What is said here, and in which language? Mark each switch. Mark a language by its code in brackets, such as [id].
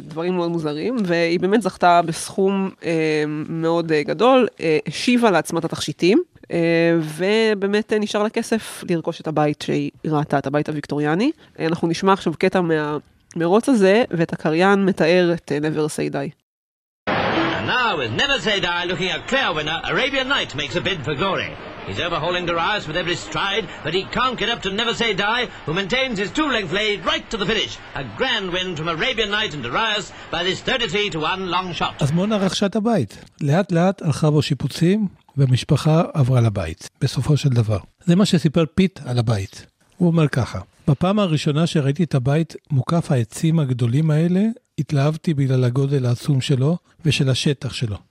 [he] דברים מאוד מוזרים, והיא באמת זכתה בסכום מאוד גדול, השיבה לעצמת התכשיטים, ובאמת נשאר לה כסף לרכוש את הבית שהיא ראתה, את הבית הוויקטוריאני. אנחנו נשמע עכשיו קטע מהמרוץ הזה, ואת הקריין מתאר את Never Say Die. [en] Now with Never Say Die looking a clear winner, Arabian Night makes a bid for glory. He's overhauling Darius with every stride, but he can't get up to Never Say Die, who maintains his two-length lead right to the finish. A grand win from Arabian Night and Darius by this 33-1 long shot. [he] אז מונה רכשה את הבית. לאט לאט הלכה בו שיפוצים, והמשפחה עברה לבית, בסופו של דבר. זה מה שסיפר פיט על הבית. הוא אומר ככה, בפעם הראשונה שראיתי את הבית מוקף העצים הגדולים האלה, התלהבתי בגלל הגודל העצום שלו ושל השטח שלו.